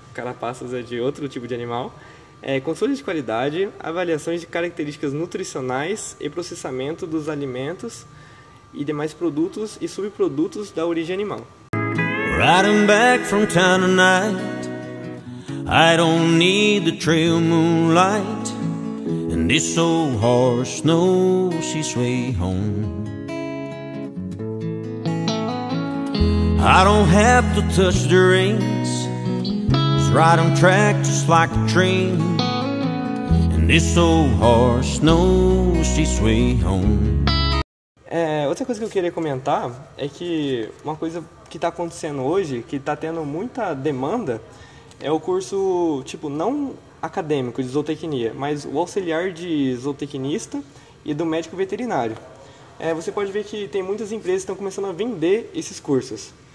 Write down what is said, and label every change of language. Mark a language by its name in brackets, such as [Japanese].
[Portuguese] Carapaças é de outro tipo de animal, controle de qualidade, avaliações de características nutricionais e processamento dos alimentos e demais produtos e subprodutos da origem animal. [English] Riding back from town tonight, I don't need the trail moonlight, and this old horse knows his way home. I don't have to touch the reins, just ride on track just like a train, and this old horse knows his way home. [Portuguese] Outra coisa que eu queria comentar é que uma coisa que está acontecendo hoje, que está tendo muita demanda, é o curso, tipo, não acadêmico de zootecnia, mas o auxiliar de zootecnista e do médico veterinário. Você pode ver que tem muitas empresas que estão começando a vender esses cursos.